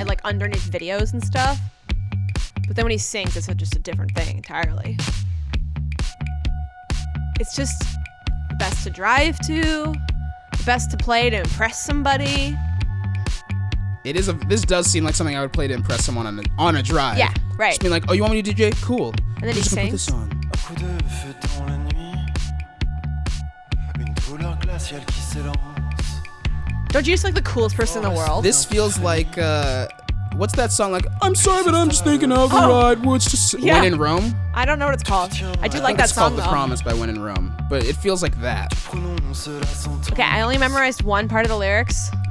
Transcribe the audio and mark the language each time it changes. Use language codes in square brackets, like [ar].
[en] And like underneath videos and stuff. But then when he sings, it's just a different thing entirely. It's just the best to drive to, the best to play to impress somebody. It is this does seem like something I would play to impress someone on a drive. Yeah, right. Just being like, oh, you want me to DJ? Cool. And then I'm he just sings. Put this on. [fr] A coup de feu dans la nuit. Une douleur glaciale qui s'élance. [en] Don't you just like the coolest person in the world? This feels like what's that song like? I'm sorry, but I'm just thinking of the ride. What's just When in Rome? I don't know what it's called. I do like that song, though. It's The Promise by When in Rome. But it feels like that. Okay, I only memorized one part of the lyrics.